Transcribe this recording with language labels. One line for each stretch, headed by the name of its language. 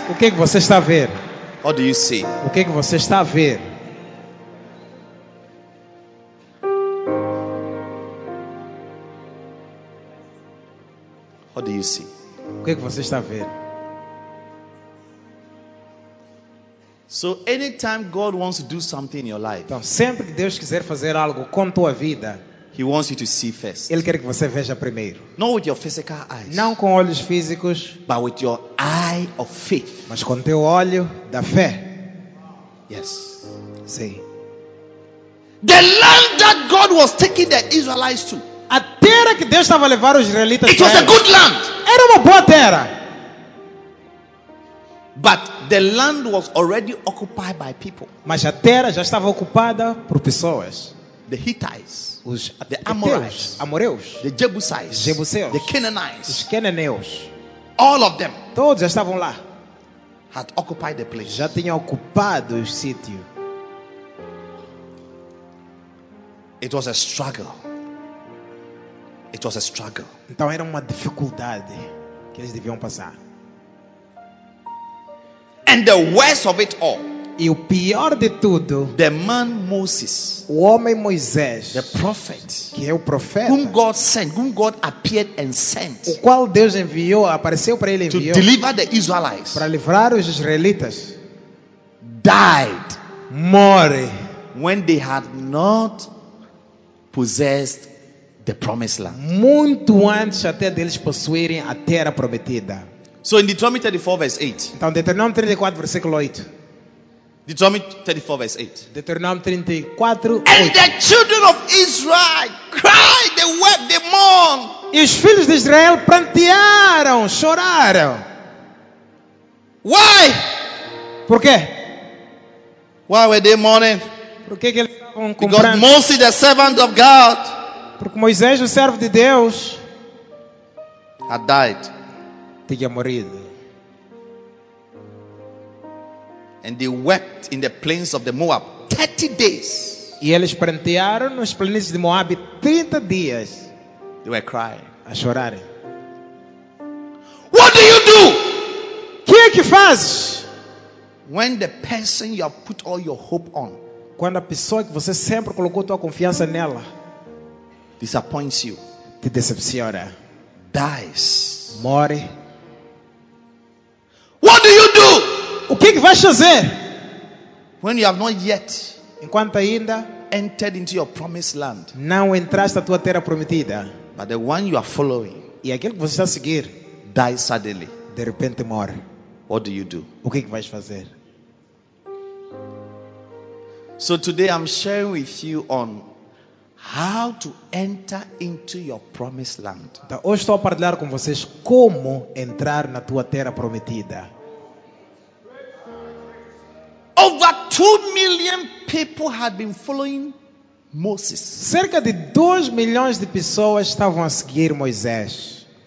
Portuguese: O que é que você está a ver?
English: What do you see?
Portuguese: O que é que você está a ver?
English: What do you see?
Portuguese: O que é que você está a ver?
English: So anytime God wants to do something in your life,
Portuguese: então, sempre que Deus quiser fazer algo com tua vida,
English: he wants you to see first.
Portuguese: Ele quer que você veja primeiro.
English: Not with your physical eyes.
Portuguese: Não com olhos físicos,
English: but with your eye of faith.
Portuguese: Mas com teu olho da fé.
English: Yes.
Portuguese: Sim.
English: The land that God was taking the Israelites to.
Portuguese: A terra que Deus estava a levar os israelitas.
English: It was a good land.
Portuguese: Era uma boa terra.
English: But the land was already occupied by people.
Portuguese: Mas a terra já estava ocupada por pessoas.
English: The Hittites,
Portuguese: os
English: the Amorites,
Portuguese: Amoreus,
English: the Jebusites,
Portuguese: Jebuseus,
English: the Canaanites,
Portuguese: os Cananeus.
English: All of them.
Portuguese: Todos já estavam lá.
English: Had occupied the place.
Portuguese: Já tinham ocupado o sítio.
English: It was a struggle. It was a struggle.
Portuguese: Então era uma dificuldade que eles deviam passar.
English: And the worst of it all,
Portuguese: e o pior de tudo,
English: the man Moses,
Portuguese: o homem Moisés,
English: the prophet,
Portuguese: que é o profeta,
English: whom God sent, whom God appeared and sent,
Portuguese: o qual Deus enviou, apareceu para ele, enviou,
English: to deliver the Israelites,
Portuguese: para livrar os israelitas,
English: died,
Portuguese: morre,
English: when they had not possessed the promised land.
Portuguese: Muito antes até deles possuírem a terra prometida.
English: So in Deuteronomy 34 verse 8.
Portuguese: Então Deuteronomy 34 versículo 8.
English: Deuteronomy 34 verse 8. Deuteronomy 34 8. And the children of Israel cried, they wept, they mourned.
Portuguese: E os filhos de Israel prantearam, choraram.
English: Why?
Portuguese: Por quê?
English: Why were they mourning?
Portuguese: Por que eles estavam comprando?
English: Because Moses, the servant of God,
Portuguese: porque Moisés, o servo de Deus,
English: had died.
Portuguese: Tinha morrido.
English: And they wept in the plains of the Moab 30 days.
Portuguese: E eles prantearam nos planícies de Moab 30 dias.
English: They were crying.
Portuguese: A chorarem.
English: What do you do?
Portuguese: Que é que fazes?
English: When the person you have put all your hope on,
Portuguese: quando a pessoa que você sempre colocou tua confiança nela,
English: disappoints you,
Portuguese: te decepciona,
English: dies,
Portuguese: morre.
English: What do you do?
Portuguese: O que vais fazer?
English: When you have not yet,
Portuguese: enquanto ainda,
English: entered into your promised land,
Portuguese: não entraste na tua terra prometida,
English: but the one you are following,
Portuguese: e aquele que você está a seguir,
English: dies suddenly,
Portuguese: de repente morre.
English: What do you do?
Portuguese: O que vais fazer?
English: So today I'm sharing with you on how to enter into your promised land.
Portuguese: Então, hoje estou a partilhar com vocês como entrar na tua terra prometida.
English: Over 2 million people had been following Moses.
Portuguese: Cerca de 2 milhões de pessoas estavam a seguir Moisés